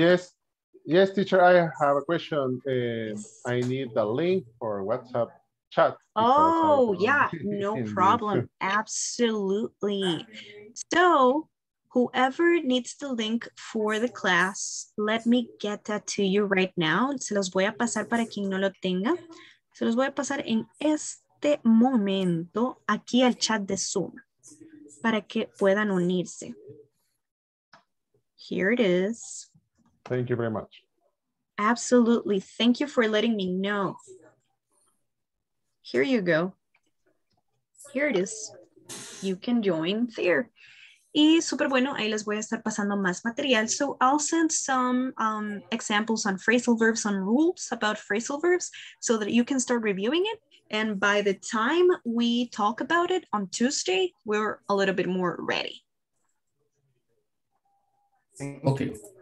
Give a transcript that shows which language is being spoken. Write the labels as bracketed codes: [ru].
[en] Yes. Yes, teacher, I have a question. I need the link for WhatsApp chat. Oh, yeah, no problem. Absolutely. So, whoever needs the link for the class, let me get that to you right now. [es] Se los voy a pasar para quien no lo tenga. Se los voy a pasar en este momento aquí al chat de Zoom para que puedan unirse. [en] Here it is. Thank you very much. Absolutely. Thank you for letting me know. Here you go. Here it is. You can join there. [es] Y super bueno, ahí les voy a estar pasando más material. [en] So I'll send some examples on phrasal verbs, on rules about phrasal verbs, so that you can start reviewing it. And by the time we talk about it on Tuesday, we're a little bit more ready. Okay.